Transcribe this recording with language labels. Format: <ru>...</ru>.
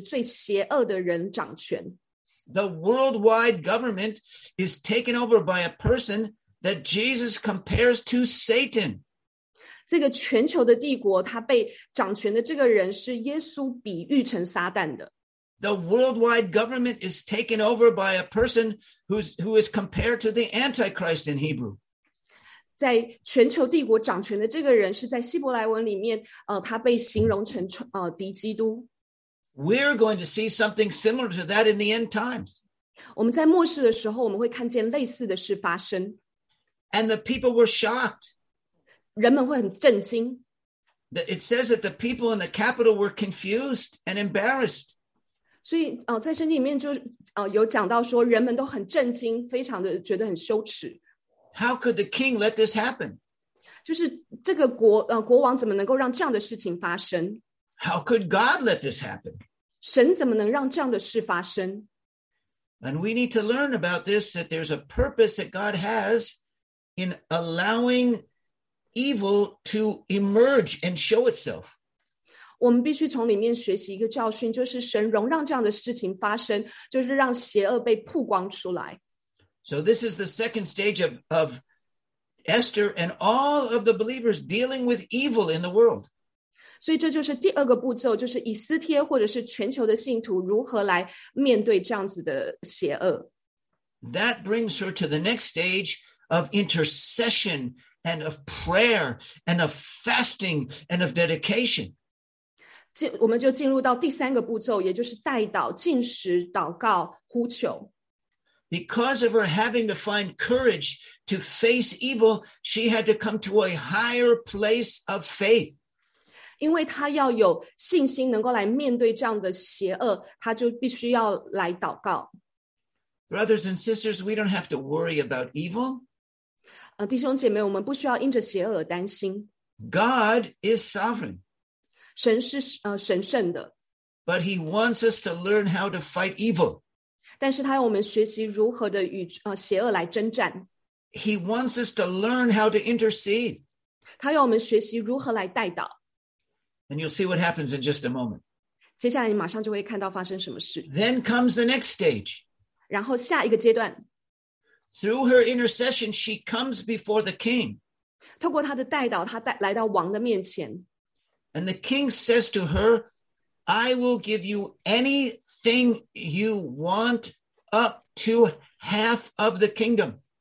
<zh>就是一个管理全球帝国的一个政府被当时最邪恶的人掌权。</zh> <en>The worldwide government is taken over by a person that Jesus compares to Satan.</en> <zh>这个全球的帝国,他被掌权的这个人是耶稣比喻成撒旦的。</zh> <en>The worldwide government is taken over by a person who is compared to the Antichrist in Hebrew.</en> <zh>在全球帝国掌权的这个人是在希伯来文里面, 他被形容成, 敌基督。</zh> <en>We're going to see something similar to that in the end times.</en> <zh>我们在末世的时候我们会看见类似的事发生。</zh> <en>And the people were shocked.</en> <zh>人们会很震惊。</zh> <en>It says that the people in the capital were confused and embarrassed.</en> <zh>所以, 在圣经里面就, 有讲到说人们都很震惊, 非常的觉得很羞耻。</zh> <en>How could the king let this happen?</en> <zh>就是这个国, 国王怎么能够让这样的事情发生?</zh> <en>How could God let this happen?</en> <zh>神怎么能让这样的事发生?</zh> <en>And we need to learn about this, that there's a purpose that God has in allowing evil to emerge and show itself.</en> <zh>我们必须从里面学习一个教训, 就是神容让这样的事情发生, 就是让邪恶被曝光出来。</zh> <en>So this is the second stage of Esther and all of the believers dealing with evil in the world.</en> <zh>所以这就是第二个步骤, 就是以斯帖或者是全球的信徒如何来面对这样子的邪恶。</zh> <en>That brings her to the next stage of intercession and of prayer and of fasting and of dedication.</en> <zh>我们就进入到第三个步骤, 也就是代祷, 禁食, 祷告, 呼求。</zh> <en>Because of her having to find courage to face evil, she had to come to a higher place of faith.</en> <zh>因为她要有信心能够来面对这样的邪恶, 她就必须要来祷告。</zh> <en>Brothers and sisters, we don't have to worry about evil.</en> <zh>弟兄姐妹, 我们不需要因着邪恶而担心。</zh> <en>God is sovereign.</en> <zh>神是神圣的。</zh> <en>But he wants us to learn how to fight evil.</en> <zh>但是他要我们学习如何的与邪恶来征战。</zh> <en>He wants us to learn how to intercede.</en> <zh>他要我们学习如何来代祷。</zh> <en>And you'll see what happens in just a moment.</en> <zh>接下来你马上就会看到发生什么事。</zh> <en>Then comes the next stage.</en> <zh>然后下一个阶段。</zh> <en>Through her intercession, she comes before the king.</en> <zh>透过她的代祷，她来到王的面前。</zh> <en>And the king says to her, I will give you anything you want up to half of the kingdom.</en>